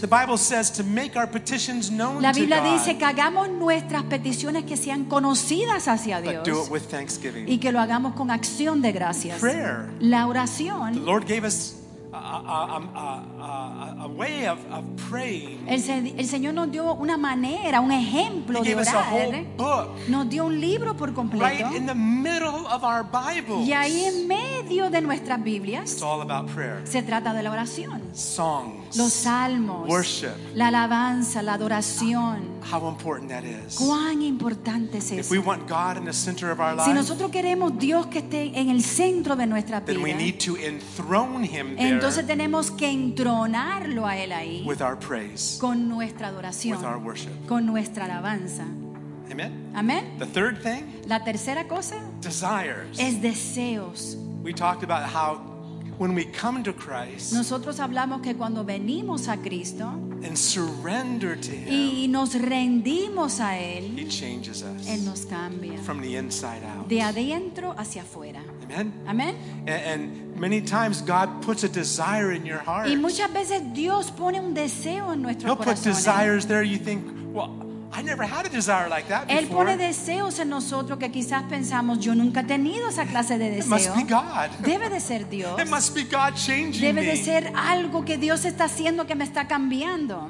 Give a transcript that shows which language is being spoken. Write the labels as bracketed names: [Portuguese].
[English] The Bible says to make our petitions known to God. [Spanish] La Biblia dice que hagamos nuestras peticiones que sean conocidas hacia Dios. [English] But do it with thanksgiving. [Spanish] Y que lo hagamos con acción de gracias. [English] Prayer. [Spanish] La oración. [English] The Lord gave us a way of praying. [Spanish] El Señor nos dio una manera, un ejemplo [English] he [Spanish] de orar. [English] Gave us a whole book. [Spanish] Nos dio un libro por completo. [English] Right in the middle of our Bibles. [Spanish] Y ahí en medio de nuestras Biblias. [English] It's all about prayer. [Spanish] Se trata de la oración. [English] Songs. [Spanish] Los salmos. [English] Worship. [Spanish] La alabanza, la adoración. [English] How important that is. [Spanish] Cuán importante es [English] if [Spanish] eso. [English] We want God in the center of our lives, [Spanish] si nosotros queremos Dios que esté en el centro de nuestra vida, [English] then we need to enthrone him there. [Spanish] Entonces tenemos que entronarlo a él ahí. [English] With our praise. [Spanish] Con nuestra adoración. [English] With our worship. [Spanish] Con nuestra alabanza. [English] Amen. [Spanish] Amen. [English] The third thing. [Spanish] La tercera cosa. [English] Desires. [Spanish] Es deseos. [English] We talked about how when we come to Christ, [Spanish] nosotros hablamos que cuando venimos a Cristo, [English] and surrender to Him, [Spanish] y nos rendimos a Él, [English] He changes us. [Spanish] Él nos cambia. [English] From the inside out. [Spanish] De adentro hacia afuera. [English] Amen. [Spanish] Amen. [English] And many times God puts a desire in your heart. [Spanish] Y muchas veces Dios pone un deseo en nuestro corazón. [English] He'll put desires there you think, well, I never had a desire like that before. [Spanish] Él pone deseos en nosotros que quizás pensamos, yo nunca he tenido esa clase de deseo. [English] It must be God. [Spanish] Debe de ser Dios. [English] It must be God changing me. [Spanish] Debe de ser algo que Dios está haciendo que me está cambiando.